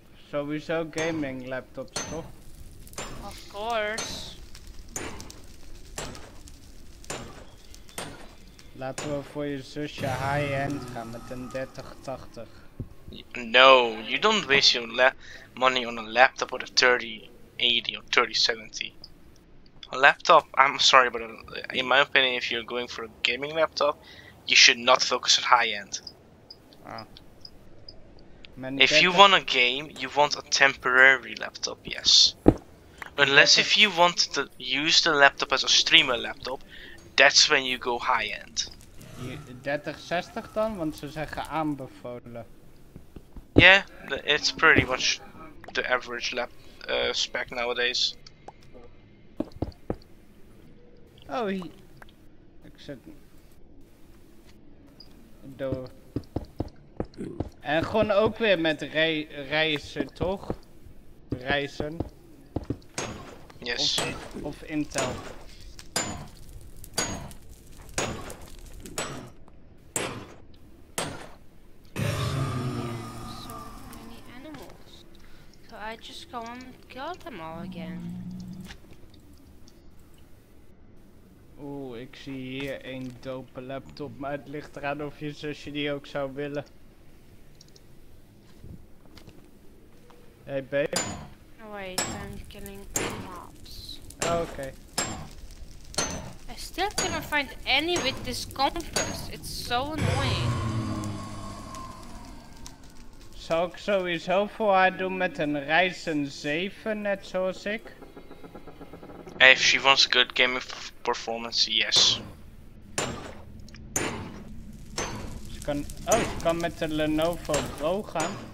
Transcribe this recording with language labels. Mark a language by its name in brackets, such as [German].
[Dutch] Sowieso gaming laptops, toch? [English] Of course. [Dutch] Laten we voor je zusje high-end gaan met een 3080. [English] No, you don't waste your money on a laptop with a 3080 or 3070. A laptop, I'm sorry, but in my opinion, if you're going for a gaming laptop, you should not focus on high end. If you want a game, you want a temporary laptop, yes. Unless if you want to use the laptop as a streamer laptop, that's when you go high end. 3060 then? [Dutch] Want ze zeggen aanbevolen. [English] Yeah, it's pretty much the average lab spec nowadays. Oh, he... Except... [Dutch] Door. En gewoon ook weer met reizen, toch? Reizen. [English] Yes. [Dutch] Of Intel. [English] So many animals. So I just go and kill them all again. [Dutch] Oeh, ik zie hier een dope laptop, maar het ligt eraan of je zusje die ook zou willen. [English] Hey babe. Wait, I'm killing mobs. Okay. I still cannot find any with this compass. It's so annoying. [Dutch] Zal ik sowieso voor haar doen met een Ryzen 7, net zoals ik? [English] If she wants good gaming performance, yes. [Dutch] Ze kan, oh, ze kan met de Lenovo Pro gaan.